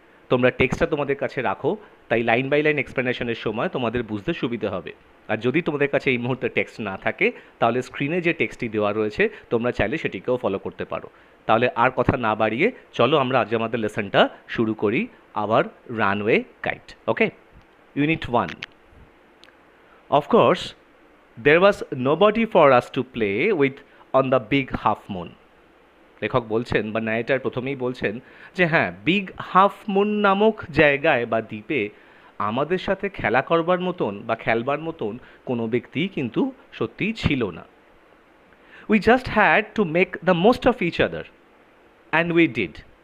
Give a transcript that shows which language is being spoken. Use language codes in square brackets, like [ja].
[bn] তোমরা টেক্সটটা তোমাদের কাছে রাখো, তাই লাইন বাই লাইন এক্সপ্লেনেশনের সময় তোমাদের বুঝতে সুবিধে হবে। আর যদি তোমাদের কাছে এই মুহূর্তে টেক্সট না থাকে, তাহলে স্ক্রিনে যে টেক্সটটি দেওয়া রয়েছে তোমরা চাইলে সেটিকেও ফলো করতে পারো। তাহলে আর কথা না বাড়িয়ে চলো আমরা আজ আমাদের লেসনটা শুরু করি, hour runway kite. [en] Okay, unit one. Of course, there was nobody for us to play with on the big half moon. [bn] লেখক বলছেন বা নায়েটার প্রথমেই বলছেন যে হ্যাঁ, বিগ হাফ মুন নামক জায়গায় বা দ্বীপে আমাদের সাথে খেলা করবার মতন বা খেলবার মতন কোনো ব্যক্তি কিন্তু সত্যি ছিল না। [en] We just had to make the most of each other and we did.